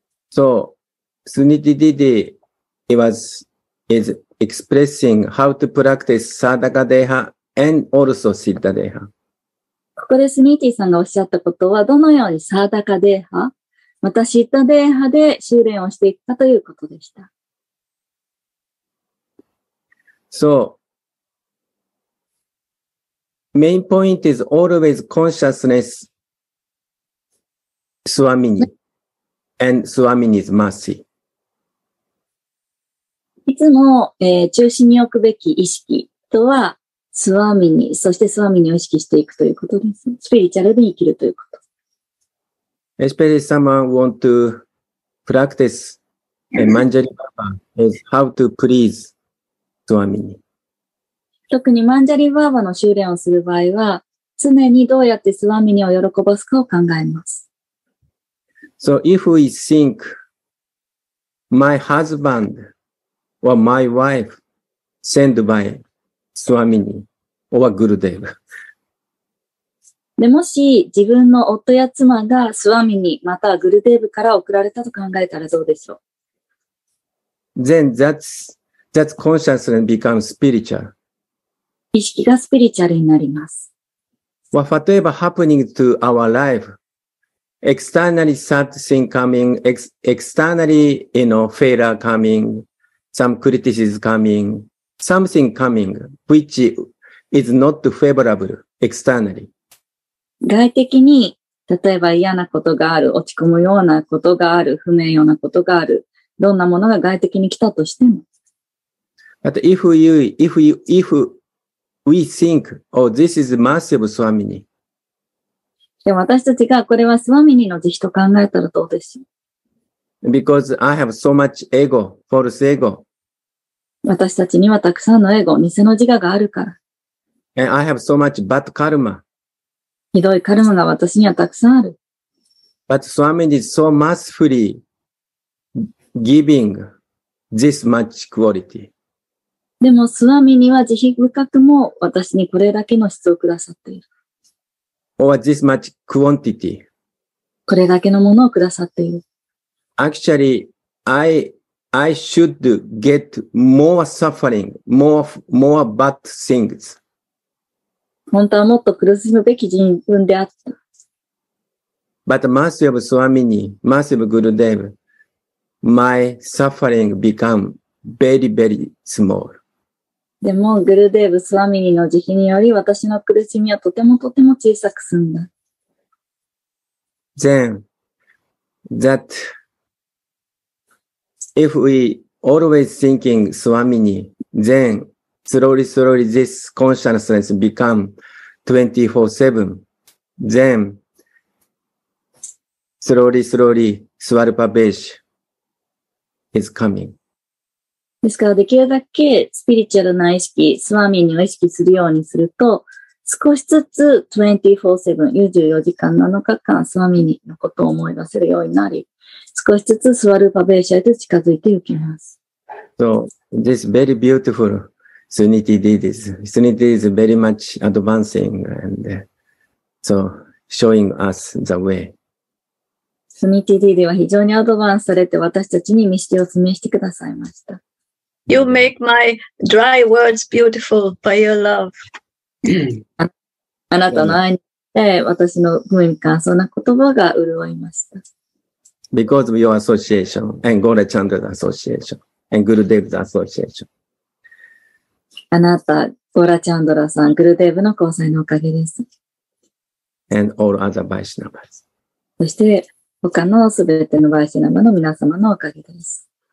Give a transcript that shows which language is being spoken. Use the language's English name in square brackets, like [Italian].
[English] So, Suniti Didi is expressing how to practice Sadaka Deha and also Siddha Deha. [Japanese] ここでスニティさんがおっしゃったことは、どのようにサーダカデーハ、またシッタデーハで修練をしていくかということでした。 [English] So, main point is always consciousness, Swamini, and Swamini's mercy. [Japanese] いつも、中心に置くべき意識とは、スワミニ、そしてスワミニを意識していくということです。スピリチュアルで生きるということ。 [English] Especially someone want to practice Manjari Baba is how to please スワミニ。 [Japanese] 特にマンジャリバーバの修練をする場合は、常にどうやってスワミニを喜ばすかを考えます。 [English] So if we think my husband or my wife sent by スワミニ、オアグルデーブ。 [Japanese] でもし自分の夫や妻がスワミニまたはグルデーブから送られたと考えたらどうでしょう。 [English] Then that's consciousness becomes spiritual. [Japanese] 意識がスピリチュアルになります。 [English] Well, whatever happening to our life, externally sad thing coming, externally you know failure coming, some criticism coming. Something coming, which is not favorable externally. [Japanese] 外的に、例えば嫌なことがある、落ち込むようなことがある、不明ようなことがある、どんなものが外的に来たとしても。 [English] But if we think, oh, this is mercy of Swamini. [Japanese] でも私たちがこれはスワミニの慈悲と考えたらどうでしょう。 [English] Because I have so much ego, false ego. [Japanese] 私たちにはたくさんのエゴ、偽の自我があるから。 [English] And I have so much bad karma. [Japanese] ひどいカルマが私にはたくさんある。 [English] But Swami is so mercifully giving this much quality. [Japanese] でも、スワミには慈悲深くも私にこれだけの質をくださっている。 [English] Or this much quantity. [Japanese] これだけのものをくださっている。 [English] Actually, I should get more suffering, more bad things. [Japanese] 本当はもっと苦しむべき人分であった。 [English] But mercy of Swamini, mercy of Gurudev, my suffering become very, very small. [Japanese] でも、グルデーブ、スワミニの慈悲により、私の苦しみはとてもとても小さく済んだ。 [English] Then, that,If we always thinking Swamini, then slowly, slowly this consciousness become 24/7. Then slowly, slowly Swarupa Besh is coming. [Japanese] ですから、できるだけスピリチュアルな意識、スワミニを意識するようにすると、少しずつ 24/7、24時間7日間スワミニのことを思い出せるようになり、少しずつスワルパベーシャへと近づいていきます。 [English] So, this very beautiful Suniti Didi's. Suniti is very much advancing and so showing us the way. [Japanese] Suniti Didi は非常にアドバンスされて私たちに道を示してくださいました。 [English] You make my dry words beautiful by your love. [Japanese] あなたの愛で私の無味乾燥な言葉が潤いました。 [English] Because of your association and Gora Chandra's association and Guru Dev's association. [Japanese] あなた、Gora Chandra さん、Guru Dev の交際のおかげです。 [English] And all other Vaishnavas. [Japanese] そして、他のすべてのVaishnavaの皆様のおかげです。